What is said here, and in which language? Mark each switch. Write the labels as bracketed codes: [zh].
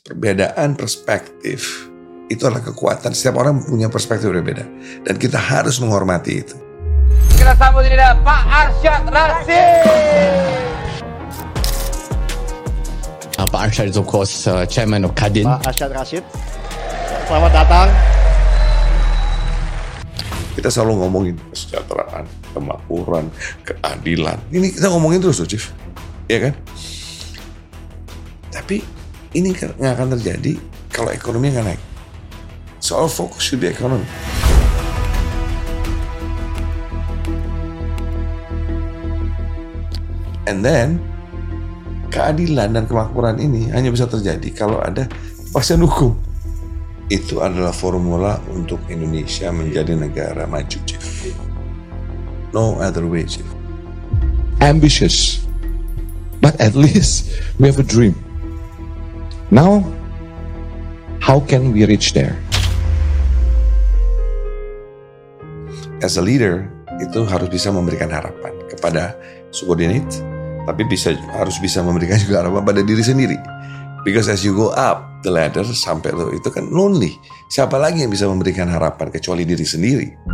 [id] perbedaan perspektif itu adalah kekuatan. Setiap orang punya perspektif berbeda dan kita harus menghormati itu. Kita sambut ini dengan Pak Arsyad Rasyid. [en] Pak Arsyad is of course chairman of Kadin. [id] Pak Arsyad Rasyid, selamat datang. Kita selalu ngomongin kesejahteraan, kemakmuran, keadilan. Ini kita ngomongin terus tuh, Chief. Iya kan? Tapi ini nggak akan terjadi kalau ekonominya nggak naik. [en] So our focus should be economy. And then, [id] keadilan dan kemakmuran ini hanya bisa terjadi kalau ada kepastian hukum. Itu adalah formula untuk Indonesia menjadi negara maju, Chief. [en] No other way, Chief. Ambitious, but at least we have a dream. Now, how can we reach there? As a leader, [id] itu harus bisa memberikan harapan kepada subordinate, tapi bisa harus bisa memberikan juga harapan pada diri sendiri. [en] Because as you go up the ladder [id] sampai lo itu kan [en] lonely. [id] Siapa lagi yang bisa memberikan harapan kecuali diri sendiri?